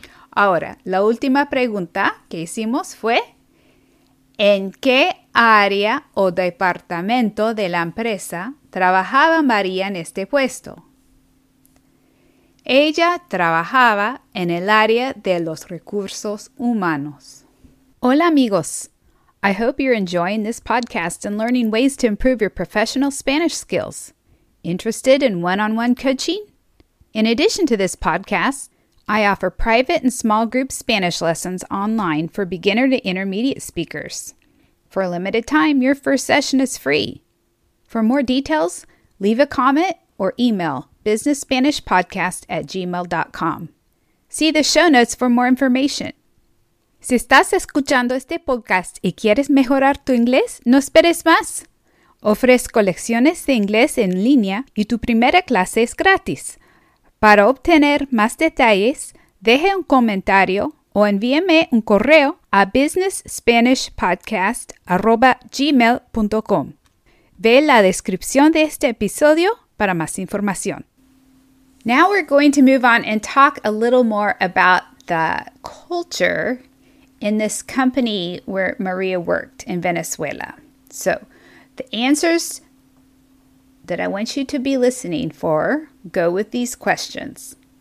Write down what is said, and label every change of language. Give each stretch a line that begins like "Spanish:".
Spanish: Ahora, la última pregunta que hicimos fue, ¿en qué área o departamento de la empresa trabajaba María en este puesto? Ella trabajaba en el área de los recursos humanos. Hola amigos,
English: I hope you're enjoying this podcast and learning ways to improve your professional Spanish skills. Interested in one-on-one coaching? In addition to this podcast, I offer private and small group Spanish lessons online for beginner to intermediate speakers. For a limited time, your first session is free. For more details, leave a comment or email businessspanishpodcast@gmail.com. See the show notes for more information.
Spanish: Si estás escuchando este podcast y quieres mejorar tu inglés, no esperes más. Ofrezco lecciones de inglés en línea y tu primera clase es gratis. Para obtener más detalles, deje un comentario o envíeme un correo a businessspanishpodcast@gmail.com. Ve la descripción de este episodio para más información.
English: Now we're going to move on and talk a little more about the culture in this company where Maria worked in Venezuela. So the answers that I want you to be listening for go with these questions.